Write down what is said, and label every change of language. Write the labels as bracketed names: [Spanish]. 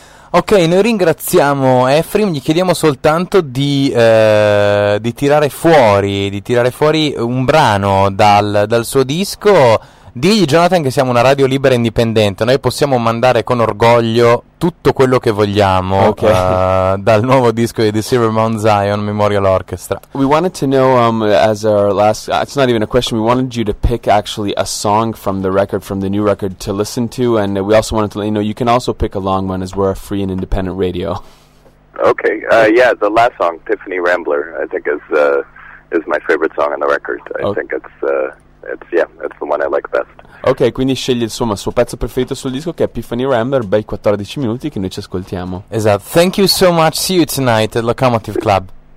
[Italian] Ok, noi ringraziamo Efrim, gli chiediamo soltanto di tirare fuori un brano dal suo disco. Digli, Jonathan, che siamo una radio libera e indipendente, noi possiamo mandare con orgoglio tutto quello che vogliamo. Okay. Dal nuovo disco di The Silver Mount Zion Memorial Orchestra. [English] We wanted to know, as our last, it's not even a question, we wanted you to pick actually a song from the record, from the new record to listen to, and we also wanted to let you know you can also pick a long one as we're a free and independent radio. Okay, yeah, the last song, Tiffany Rambler, I think is my favorite song on the record. It's the one I like best. [Italian] Ok, quindi sceglie insomma il suo pezzo preferito sul disco, che è Epiphany Rambler, bei 14 minuti che noi ci ascoltiamo. Esatto. [English] Thank you so much. See you tonight at Locomotive Club.